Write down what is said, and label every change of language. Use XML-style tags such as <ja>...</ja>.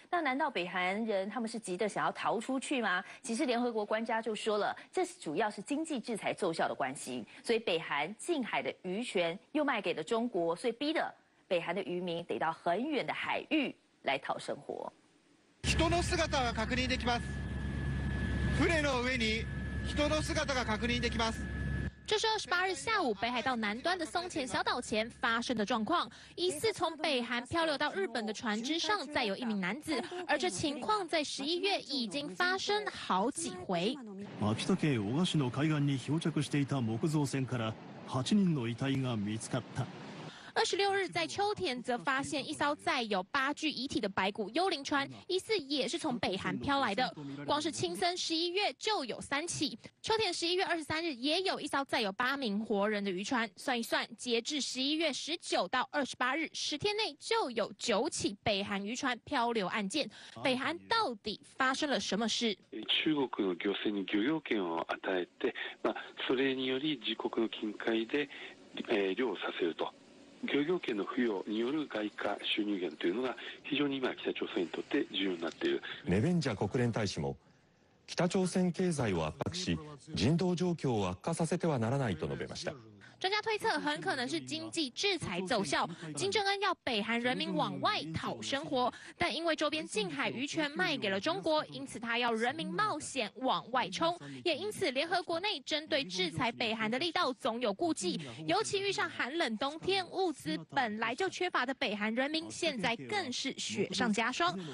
<zh>那难道北韩人他们是急得想要逃出去吗？其实联合国专家就说了，这主要是经济制裁奏效的关系，所以北韩近海的渔权又卖给了中国，所以逼得北韩的渔民得到很远的海域来讨生活。</zh> <ja>人の姿が確認できます。船の上に人の姿が確認できます。</ja> <zh>这是28日下午北海道南端的松前小岛前发生的状况。疑似从北韩漂流到日本的船只上载有一名男子，而这情况在11月已经发生好几回。</zh> <ja>秋田県男鹿市の海岸に漂着していた木造船から8人の遺体が見つかった。</ja> <zh>26日在秋田则发现一艘载有8具遗体的白骨幽灵船，疑似也是从北韩飘来的。光是青森11月就有3起，秋田11月23日也有一艘载有8名活人的渔船。算一算，截至11月19到28日10天内就有9起北韩渔船漂流案件。北韩到底发生了什么事？</zh> <ja>中国の漁船に漁業権を与えて、まあ、それにより自国の近海で、漁をさせると。漁業権の付与による外貨収入源というのが非常に今北朝鮮にとって重要になっている。ネベンジャ国連大使も北朝鮮経済を圧迫し人道状況を悪化させてはならないと述べました。</ja> <zh>专家推测很可能是经济制裁奏效，金正恩要北韩人民往外讨生活，但因为周边近海渔权卖给了中国，因此他要人民冒险往外冲。也因此联合国内针对制裁北韩的力道总有顾忌，尤其遇上寒冷冬天，物资本来就缺乏的北韩人民现在更是雪上加霜。</zh>